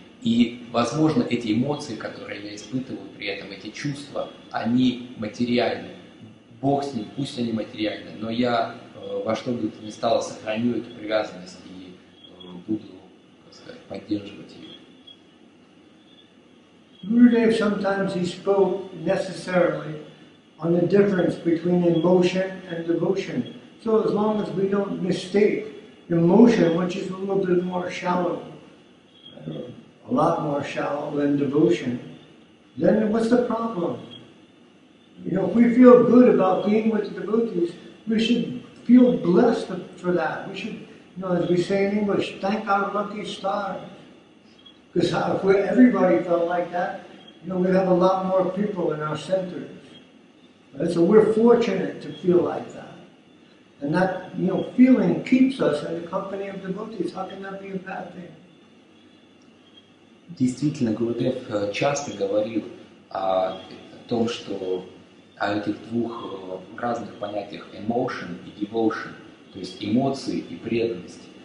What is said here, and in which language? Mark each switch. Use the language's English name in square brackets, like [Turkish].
[Russian] И, возможно, эти эмоции, которые я испытываю при этом, эти чувства, они материальны. Бог с ним, пусть они материальны, но я во что бы то ни стало сохраню эту привязанность и буду, так сказать, поддерживать ее. [English] Gurudev sometimes he spoke necessarily on the difference between emotion and devotion. So as long as we don't mistake emotion, which is a little bit more shallow, a lot more shallow than devotion, then what's the problem? You know, if we feel good about being with the devotees, we should feel blessed for that. We should, you know, as we say in English, thank our lucky stars. Because if everybody felt like that, you know, we'd have a lot more people in our centers. Right? So we're fortunate to feel like that. And that, you know, feeling keeps us in the company of devotees. How can that be a bad thing? [Russian] Действительно, Гурудев часто говорил о том, что о этих двух разных понятиях [English] emotion [Russian] и [English] devotion, [Russian] то есть эмоции и преданность.